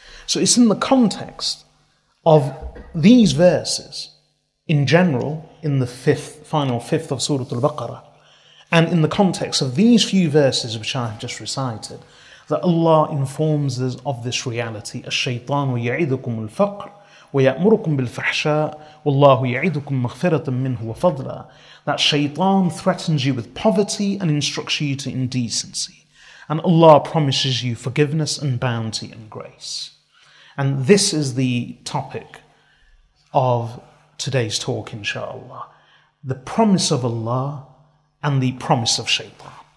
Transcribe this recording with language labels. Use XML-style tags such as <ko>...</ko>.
<en>So it's in the context of these verses, in general, in the final fifth of Surah Al-Baqarah, and in the context of these few verses which I have just recited, that Allah informs us of this reality.</en> <ar>الشيطان يعيدكم الفقر ويأمركم بالفحشاء والله يعيدكم مغفرة منه وفضلا.</ar> <en>That Shaytan threatens you with poverty and instructs you to indecency, and Allah promises you forgiveness and bounty and grace. And this is the topic of today's talk, inshallah. The promise of Allah and the promise of Shaytan.</en>